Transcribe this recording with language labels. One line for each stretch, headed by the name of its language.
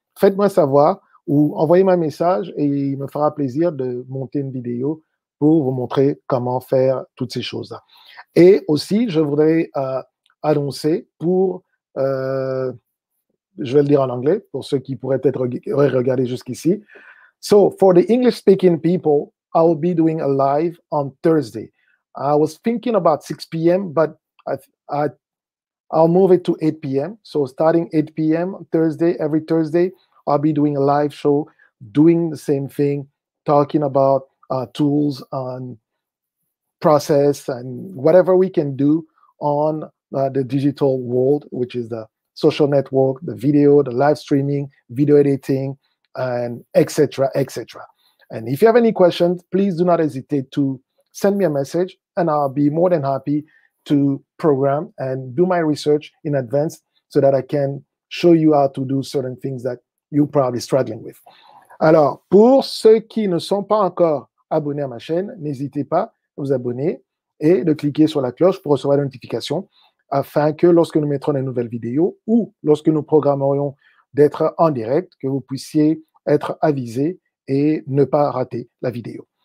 French: Faites-moi savoir ou envoyez-moi un message et il me fera plaisir de monter une vidéo pour vous montrer comment faire toutes ces choses-là. Et aussi, je voudrais annoncer pour, je vais le dire en anglais pour ceux qui pourraient être regardés jusqu'ici.
English: So, for the English-speaking people, I'll be doing a live on Thursday. I was thinking about 6 p.m., but I'll move it to 8 p.m. So, starting 8 p.m. Thursday, every Thursday, I'll be doing a live show, doing the same thing, talking about tools and process and whatever we can do on the digital world, which is the social network, the video, the live streaming, video editing, and etc., etc. And if you have any questions, please do not hesitate to send me a message, and I'll be more than happy to program and do my research in advance so that I can show you how to do certain things that you're probably struggling with.
French: Alors, pour ceux qui ne sont pas encore abonnés à ma chaîne, n'hésitez pas à vous abonner et de cliquer sur la cloche pour recevoir la notification afin que lorsque nous mettrons les nouvelles vidéos ou lorsque nous programmerons d'être en direct, que vous puissiez être avisé et ne pas rater la vidéo.